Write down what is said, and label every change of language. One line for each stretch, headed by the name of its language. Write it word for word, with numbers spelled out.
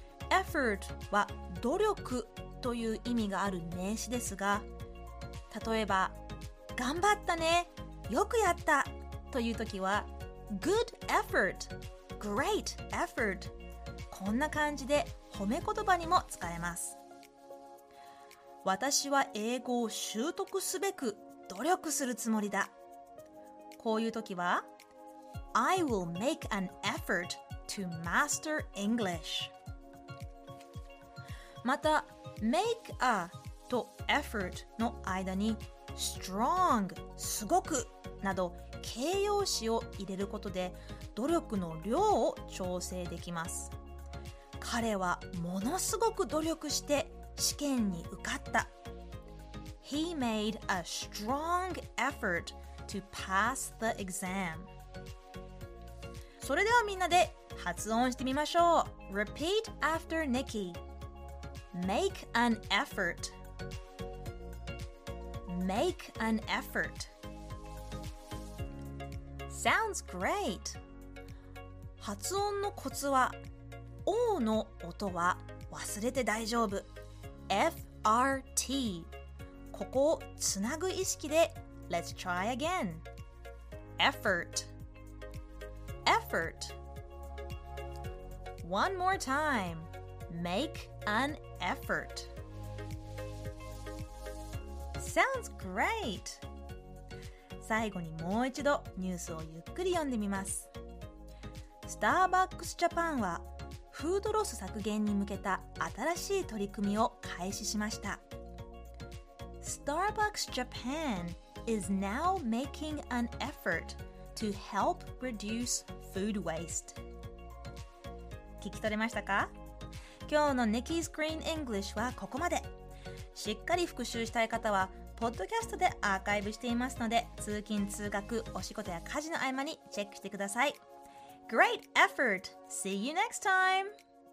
Japanese: effort は努力という意味がある名詞ですが例えば頑張ったね、よくやったという時は good effort, great effort こんな感じで褒め言葉にも使えます。私は英語を習得すべく努力するつもりだ。こういう時は
English: I will make an effort to master English.
Japanese: また make a と effort の間に strong すごくなど形容詞を入れることで努力の量を調整できます。彼はものすごく努力して試験に受かった。
English: He made a strong effort to pass the exam.
Japanese: それではみんなで発音してみましょう。
English: Repeat after Nikki. Make an effort. Make an effort. Sounds great.
Japanese: 発音のコツは O の音は忘れて大丈夫。エフ アール ティー ここをつなぐ意識で
English: Let's try again. Effort. Effort. One more time. Make an effort. Sounds great.
Japanese: 最後にもう一度ニュースをゆっくり読んでみます。スターバックスジャパンはフードロス削減に向けた新しい取り組みを開始しました。
English: Starbucks Japan is now making an effort to help reduce food waste.
Japanese: 聞き取れましたか？今日の Nikki's Green English はここまで。しっかり復習したい方は、ポッドキャストでアーカイブしていますので、通勤通学、お仕事や家事の合間にチェックしてください。
English: Great effort! See you next time!